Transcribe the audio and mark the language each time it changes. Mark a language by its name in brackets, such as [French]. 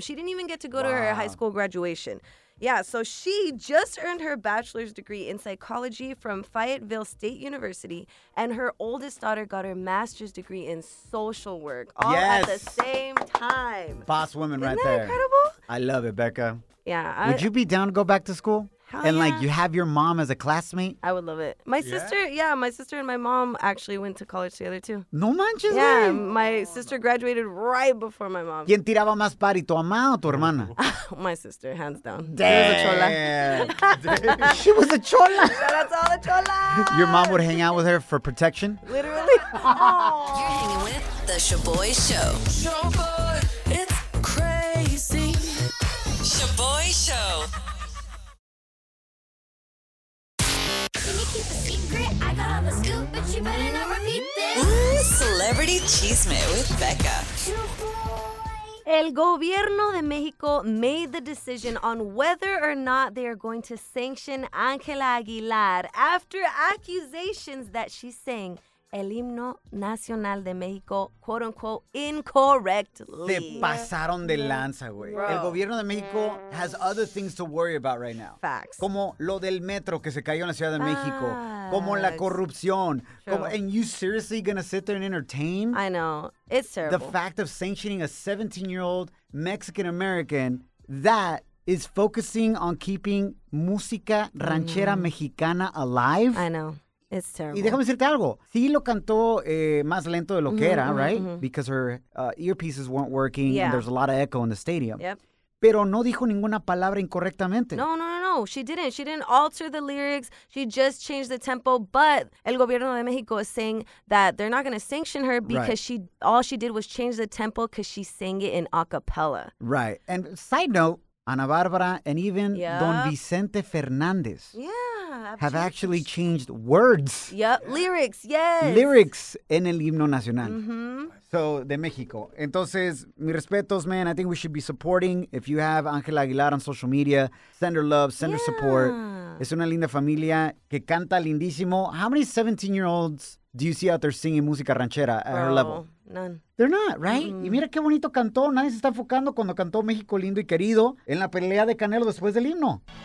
[English] She didn't even get to go to her high school graduation. Yeah, so she just earned her bachelor's degree in psychology from Fayetteville State University, and her oldest daughter got her master's degree in social work all at the same time. Boss woman Isn't that there. Isn't that incredible? I love it, Becca. Yeah. Would you be down to go back to school? Hell and, yeah. Like, you have your mom as a classmate? I would love it. My sister, my sister and my mom actually went to college together, too. [Spanish] No manches, [English] man. Yeah, my sister graduated right before my mom. [Spanish] ¿Quién tiraba más party, tu mamá o tu hermana? [English] My sister, hands down. Damn. She was a chola. She was a chola. Shout out to all the cholas. Your mom would hang out with her for protection? Literally. You're hanging with The Shoboy Show. Shoboy, it's crazy. Shoboy Show. Celebrity Chisme with Becca. [Spanish] El gobierno de México [English] made the decision on whether or not they are going to sanction Ángela Aguilar after accusations that she sang [Spanish] el himno nacional de México, [English] quote unquote, incorrectly. [Spanish] Se pasaron de lanza, güey. El gobierno de México [English] has other things to worry about right now. Facts. [Spanish] Como lo del metro que se cayó en la Ciudad de México. Como la corrupción. [English] True. [Spanish] Como, [English] and you seriously gonna sit there and entertain? I know. It's terrible. The fact of sanctioning a 17-year-old Mexican-American, that is focusing on keeping [Spanish] música ranchera mexicana [English] alive. I know. It's terrible. [Spanish] Y déjame decirte algo. Sí lo cantó más lento de lo que era, [English] right? Mm-hmm. Because her earpieces weren't working and there's a lot of echo in the stadium. Yep. [Spanish] Pero no dijo ninguna palabra incorrectamente. [English] No. She didn't. She didn't alter the lyrics. She just changed the tempo. But [Spanish] el gobierno de México [English] is saying that they're not going to sanction her because all she did was change the tempo because she sang it in a cappella. Right. And side note, Ana Bárbara and even Don Vicente Fernández have actually changed words. Yep, lyrics, yes. [Spanish] Lyrics en el himno nacional. Mm-hmm. So, de México. Entonces, mis respetos, [English] man, I think we should be supporting. If you have Ángela Aguilar on social media, send her love, send her support. [Spanish] Es una linda familia que canta lindísimo. [English] How many 17-year-olds do you see out there singing música ranchera at her level? None. They're not, right? [Spanish] Mm. Y mira qué bonito cantó. Nadie se está enfocando cuando cantó México lindo y querido en la pelea de Canelo después del himno.